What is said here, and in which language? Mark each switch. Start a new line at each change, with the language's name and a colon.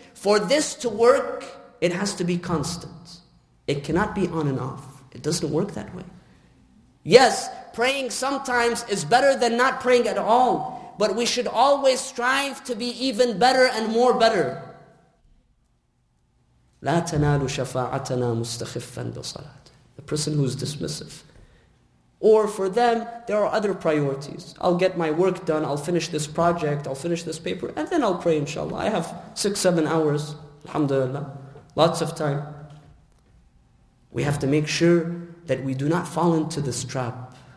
English: For this to work, it has to be constant. It cannot be on and off. It doesn't work that way. Yes, praying sometimes is better than not praying at all. But we should always strive to be even better and more better.
Arabic: لا تنال شفاعتنا مستخفا بصلاة.
English: The person who is dismissive. Or for them, there are other priorities. I'll get my work done. I'll finish this project. I'll finish this paper. And then I'll pray, inshallah. I have 6-7 hours. Alhamdulillah. Lots of time. We have to make sure that we do not fall into this trap.